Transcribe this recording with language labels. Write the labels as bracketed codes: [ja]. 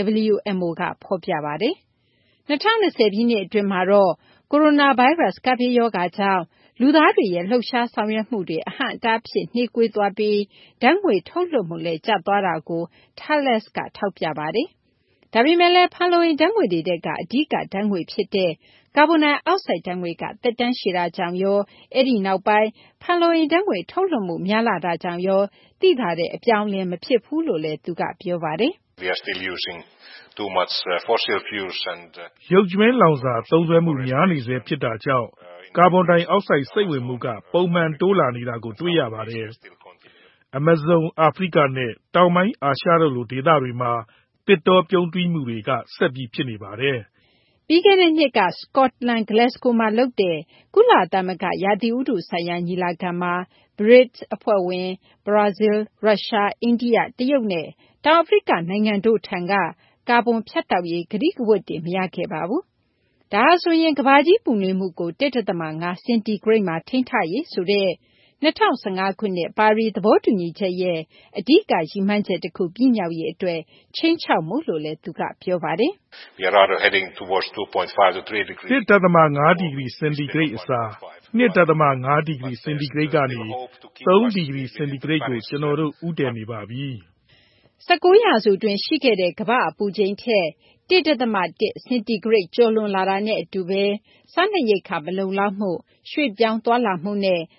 [my] WMO ကဖော်ပြပါတယ်။2020ပြည့်နှစ်အတွင်းမှာတော့ကိုရိုနာဗိုင်းရပ်စ်ကပ်ရေးရောဂါကြောင့်လူသားတွေရဲ့လှုပ်ရှားဆောင်ရွက်မှုတွေအဟန့်အတားဖြင့်နှေးကွေးသွားပြီးဓာတ်ငွေထုတ်လွှတ်မှုလည်းကျသွားတာကိုထက်လက်စ်ကထောက်ပြပါတယ်။ဒါပေမဲ့လည်းဖလုံးဓာတ်ငွေတွေကအဓိကဓာတ်ငွေဖြစ်တဲ့ကာဗွန်ဒိုင်အောက်ဆိုက်ဓာတ်ငွေကတက်တန်းရှိတာကြောင့်ရောအဲ့ဒီနောက်ပိုင်းဖလုံးဓာတ်ငွေထုတ်လွှတ်မှုများလာတာကြောင့်ရောသိထားတဲ့အပြောင်းအလဲမဖြစ်ဘူးလို့လည်းသူကပြောပါတယ် [en] We are still using too much fossil fuels and [my] ရုပ်ကြွင်းလောင်စာသုံးစွဲမှုများနေစေဖြစ်တာကြောင့်ကာဗွန်ဒိုင်အောက်ဆိုက်စိတ်ဝင်မှုကပုံမှန်တိုးလာနေတာကိုတွေ့ရပါတယ် Amazon အာဖရိကနဲ့တောင်ပိုင်းအာရှတို့ဒေသတွေမှာပစ်တော်ပြုံးတွင်းမှုတွေကဆက်ပြီးဖြစ်နေပါတယ်။ပြီးခဲ့တဲ့နှစ်ကစကော့တလန်ဂလက်စကိုမှာလုပ်တဲ့ကုလသမဂ္ဂရာသီဥတုဆိုင်ရာညီလာခံမှာ BRICS အဖွဲ့ဝင်ဘရာဇီးရုရှားအိန္ဒိယတရုတ်နဲ့တောင်အာဖရိကနိုင်ငံတို့ထံကကာဗွန်ဖြတ်တောက်ရေးဂရိကဝတ်တွေမရခဲ့ပါဘူး။ဒါဆိုရင်ကမ္ဘာကြီးပူနွေးမှုကို 1.5 စင်တီဂရိတ်မှာထိန်းထားရေးဆိုတဲ့2015ခုနှစ်ပါရီသဘောတူညီချက်ရဲ့အဓိကရည်မှန်းချက်တစ်ခုပြည်ညောင်ရဲ့အတွက်ချင်းချောက်မှုလို့လည်းသူကပြောပါတယ် [en] ။ We are already heading towards 2.5 to 3 degrees. [my] 1.5 degree centigrade အစား1.5 degree centigrade ကနေ3 degree centigrade ကိုကျွန်တော်တို့ဥတည်နေပါပြီ ။19ရာစုအတွင်းရှိခဲ့တဲ့ကမ္ဘာအပူချိန်ထက်1.1 centigrade ကျော်လွန်လာတာနဲ့အတူပဲစနေရိတ်ခါမလုံလောက်မှုရွှေ့ပြောင်းသွားလာမှုနဲ့